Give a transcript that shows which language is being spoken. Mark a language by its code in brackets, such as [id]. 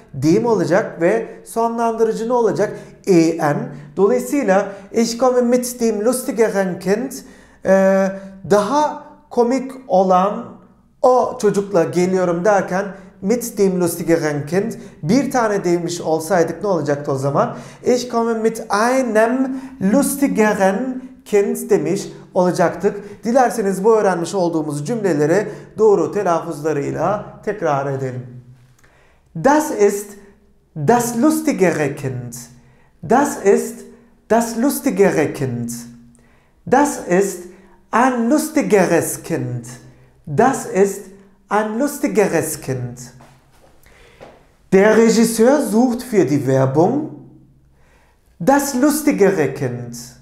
[tr] Dem olacak ve sonlandırıcı ne olacak? En. Dolayısıyla [de] ich komme mit dem lustigeren Kind [tr] daha komik olan o çocukla geliyorum derken [de] mit dem lustigeren Kind [tr] bir tane demiş olsaydık ne olacaktı o zaman? [de] Ich komme mit einem lustigeren Kind [tr] demiş olacaktık. Dilerseniz bu öğrenmiş olduğumuz cümleleri doğru telaffuzlarıyla tekrar edelim. [de] Das ist Das lustige Kind. Das ist das lustigere Kind. Das ist ein lustigeres Kind. Das ist ein lustigeres Kind. Der Regisseur sucht für die Werbung das lustigere Kind.